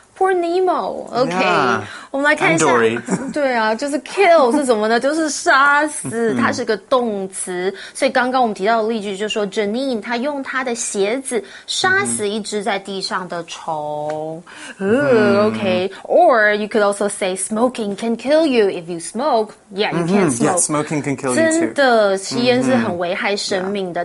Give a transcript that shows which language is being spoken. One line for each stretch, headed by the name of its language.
English: Poor Nemo. Okay. Yeah.
Chinese: 我们来看一下。
English: Dory.
Chinese: 对啊就是 kill 是什么呢就是杀死它是个动词。所以刚刚我们提到的例句就是说 Janine, 她用她的鞋子杀死一只在地上的虫。
English: Okay. Or you could also say smoking can kill you if you smoke. Yeah, you can't smoke. Yeah, smoking can kill you too.
Chinese: 真的吸烟是很危害生命的。